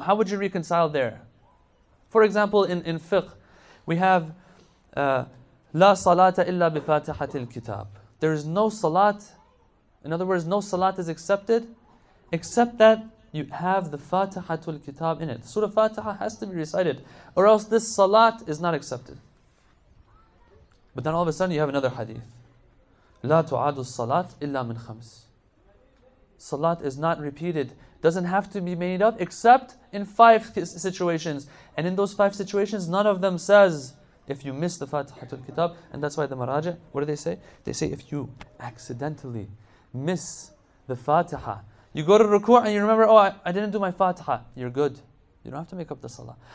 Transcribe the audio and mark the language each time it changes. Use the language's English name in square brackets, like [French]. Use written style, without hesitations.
[English] How would you reconcile there? For example, in fiqh, we have [Arabic] La salata illa bi fatihatil kitab. [English] There is no salat. In other words, no salat is accepted except that you have the Fatihatul Kitab in it. Surah Fatiha has to be recited, or else this salat is not accepted. But then all of a sudden you have another hadith. [Arabic] لا تعاد الصلاة إلا من خمس. [English] Salat is not repeated, doesn't have to be made up except in five situations. And in those five situations, none of them says if you miss the Fatihatul Kitab. And that's why the Maraja, what do they say? They say if you accidentally miss the Fatiha, you go to ruku' and you remember, oh, I didn't do my Fatiha, you're good. You don't have to make up the salah.